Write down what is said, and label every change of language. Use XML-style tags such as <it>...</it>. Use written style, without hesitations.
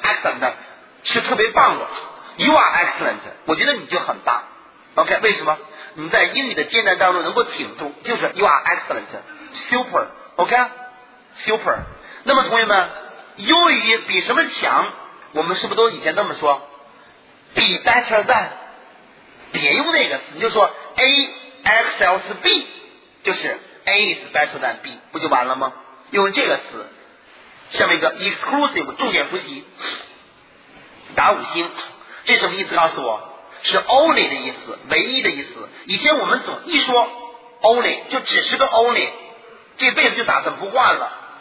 <zh>excellent 是特别棒的，</zh> <en>you are excellent，</en> <zh>我觉得你就很棒 OK。为什么你在英语的艰难当中能够挺住，就是</zh> <en>you are excellent，</en> <zh>super， OK， super。那么同学们，优于比什么强，我们是不是都以前那么说？</zh> <en>be better than，</en> <zh>别用那个词，你就说</zh> <en>A excels B，</en> <zh>就是</zh> <en>A is better than B，</en> <zh>不就完了吗？用这个词。下面一个 exclusive， 重点复习，打五星，这什么意思告诉我？是 only 的意思，唯一的意思。以前我们总一说 only 就只是个 only， 这辈子就打算不换了。</zh>